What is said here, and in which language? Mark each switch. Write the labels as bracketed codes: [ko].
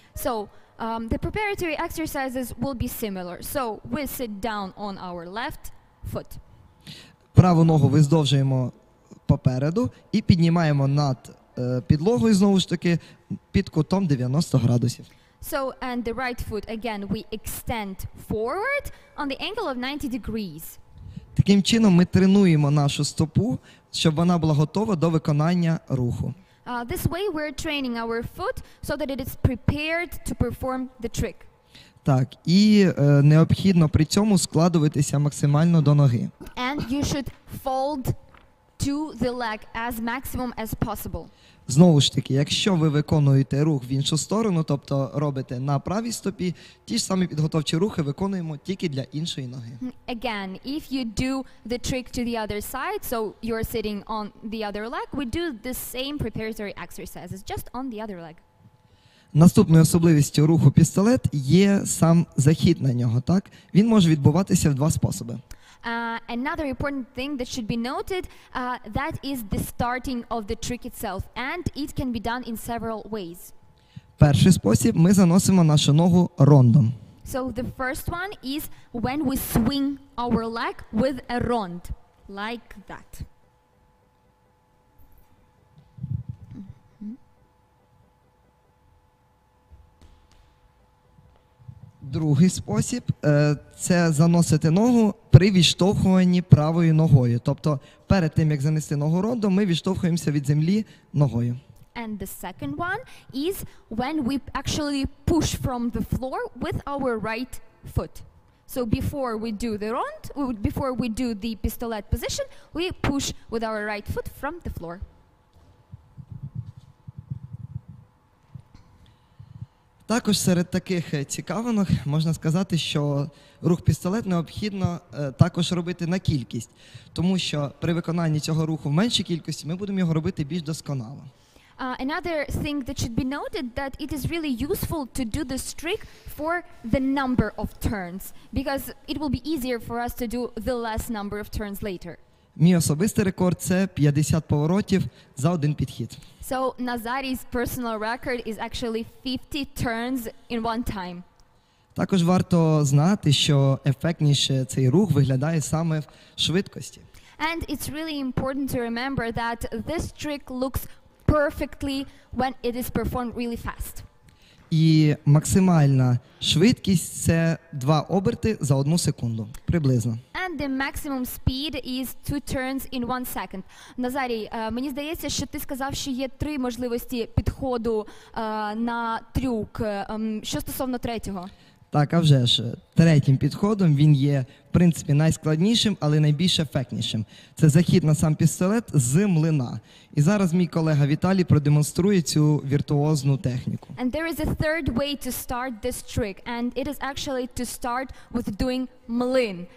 [en] So, the preparatory exercises will be similar. So, we sit down on our left foot. [uk] Праву ногу виздовжуємо попереду і піднімаємо над підлогою, знову ж таки, під кутом 90 градусів. [en] So, and the right foot, again, we extend forward on the angle of 90 degrees. [uk] Таким чином ми тренуємо нашу стопу, щоб вона була готова до виконання руху. [en] This way we're training our foot so that it is prepared to perform the trick. [uk] Так, і необхідно при цьому складуватися максимально до ноги. [en] And you should fold to the leg as maximum as possible. [uk] Знову ж таки, якщо ви виконуєте рух в іншу сторону, тобто робите на правій стопі, ті ж самі підготовчі рухи виконуємо тільки для іншої ноги. [en] Again, if you do the trick to the other side, so you're sitting on the other leg, we do the same preparatory exercises, just on the other leg. [uk] Наступною особливістю руху пістолет є сам захід на нього, так? Він може відбуватися в два способи. [en] Another important thing that should be noted, that is the starting of the trick itself, and it can be done in several ways. [uk] Перший спосіб, ми заносимо нашу ногу рондом. [en] So the first one is when we swing our leg with a rond, like that. [uk] Другий спосіб – це заносити ногу при відштовхуванні правою ногою. Тобто перед тим, як занести ногу рондом, ми відштовхуємося від землі ногою. [en] And the second one is when we actually push from the floor with our right foot. So before we do the rond, before we do the pistolet position, we push with our right foot from the floor. [uk] Також серед таких цікавинок можна сказати, що рух пістолет необхідно також робити на кількість, тому що при виконанні цього руху в меншій кількості ми будемо його робити більш досконало. [en] Another thing that should be noted, that it is really useful to do this trick for the number of turns, because it will be easier for us to do the less number of turns later. [uk] Мій особистий рекорд – це 50 поворотів за один підхід. [en] So, Nazari's personal record is actually 50 turns in one time. [uk] Також варто знати, що ефектніше цей рух виглядає саме в швидкості. [en] And it's really important to remember that this trick looks perfectly when it is performed really fast. [uk] І максимальна швидкість – це 2 оберти за 1 секунду, приблизно. [en] And the maximum speed is 2 turns in 1 second. [uk] Назарій, мені здається, що ти сказав, що є 3 можливості підходу на трюк. Що стосовно третього? Так, а вже ж. Третім підходом він є, в принципі, найскладнішим, але найбільш ефектнішим. Це захід на сам пістолет з млина. І зараз мій колега Віталій продемонструє цю віртуозну техніку. [en] And there is a third way to start this trick, and it is actually to start with doing млин.